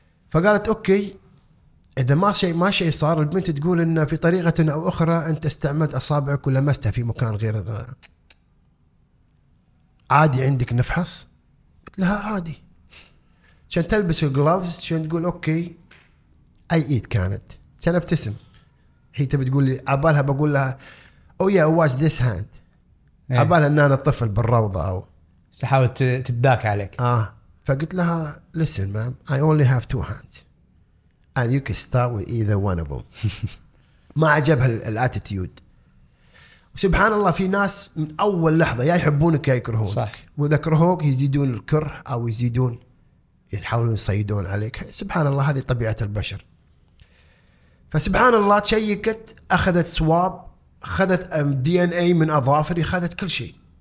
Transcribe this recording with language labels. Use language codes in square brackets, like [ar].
[ar] فقالت أوكي، إذا ما شيء صار، البنت تقول إن في طريقة أو أخرى أنت استعملت أصابعك ولمستها في مكان غير، عادي عندك نفحص؟ لها عادي، عشان تلبس الجلوفز، عشان تقول أوكي. أي إيد كانت؟ عشان ابتسم، هي تبي تقول لي، عبالها بقول لها [en] oh يا was this hand, [ar] عبالها أن أنا الطفل بالروضة أو تحاول تداك عليك. آه، فقلت لها [en] listen ma'am I only have two hands and you can start with either one of them. [ar] ما عجبها الاتيتيود. سبحان الله، في ناس من أول لحظة يا يحبونك يا يكرهونك. صح. وإذا كرهوك يزيدون الكره أو يزيدون يحاولون يصيدون عليك، سبحان الله هذه طبيعة البشر. فسبحان الله تشيكت، أخذت سواب، أخذت دي ان اي من أظافري، أخذت كل شيء.